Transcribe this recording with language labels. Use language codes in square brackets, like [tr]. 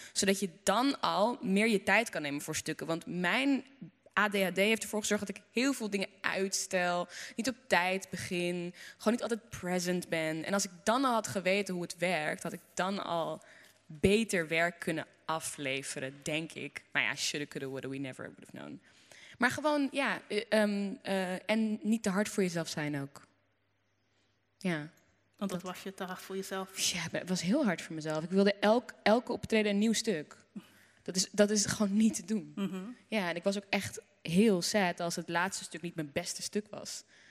[nl] Zodat je dan al meer je tijd kan nemen voor stukken. Want mijn ADHD heeft ervoor gezorgd dat ik heel veel dingen uitstel. Niet op tijd begin. Gewoon niet altijd present ben. En als ik dan al had geweten hoe het werkt, had ik dan al beter werk kunnen afleveren, denk ik. Maar ja, [en] shoulda, coulda, woulda, we never would have known. [nl] Maar gewoon, ja. En niet te hard voor jezelf zijn ook. Ja. Want dat was je te hard voor jezelf? Ja, het was heel hard voor mezelf. Ik wilde elke optreden een nieuw stuk. Dat is gewoon niet te doen. Mm-hmm. Ja, en ik was ook echt heel sad als het laatste stuk niet mijn beste stuk was.